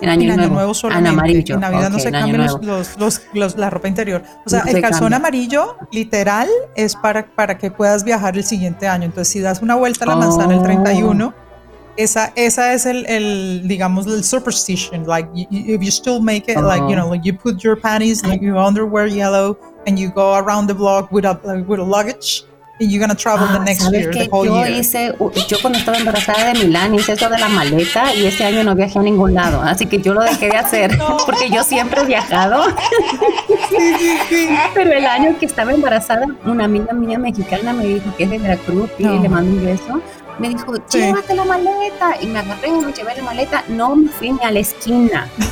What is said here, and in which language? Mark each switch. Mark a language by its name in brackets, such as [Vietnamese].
[Spanish] en Año Nuevo, solamente. En amarillo. En Navidad no se cambia la ropa interior. O sea, el calzón amarillo, literal, es para que puedas viajar el siguiente año. Entonces, si das una vuelta a la manzana el 31, esa es el digamos, el superstition. [English] Like, if you still make it, like, you know, like you put your panties, like your underwear yellow, and you go around the block with a luggage. And you're gonna travel the next year, the whole year. [Spanish] Yo cuando estaba embarazada de Milán hice eso de la maleta y ese año no viajé a ningún lado, así que yo lo dejé de hacer porque yo siempre he viajado. Sí. Pero el año que estaba embarazada, una amiga mía mexicana me dijo, que es de Veracruz, y le mando un beso, me dijo, llévate la maleta, y me agarré y me llevé la maleta, no me fui ni a la esquina.